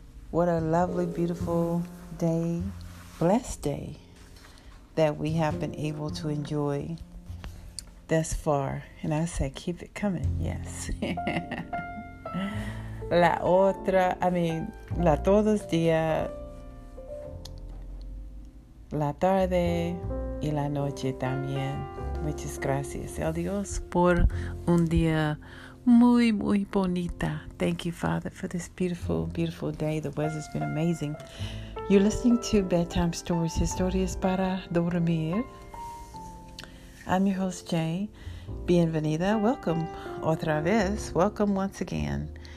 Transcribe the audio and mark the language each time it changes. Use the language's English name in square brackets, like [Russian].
[English] What a lovely, beautiful day, blessed day that we have been able to enjoy thus far. And I said, keep it coming. Yes. [Spanish] La todos día, la tarde y la noche también. Muchas gracias a Dios por un día muy, muy bonita. [English] Thank you, Father, for this beautiful, beautiful day. The weather's been amazing. You're listening to Bedtime Stories, Historias para Dormir. I'm your host, Jay. Bienvenida. Welcome. [Spanish] Otra vez. [English] Welcome once again.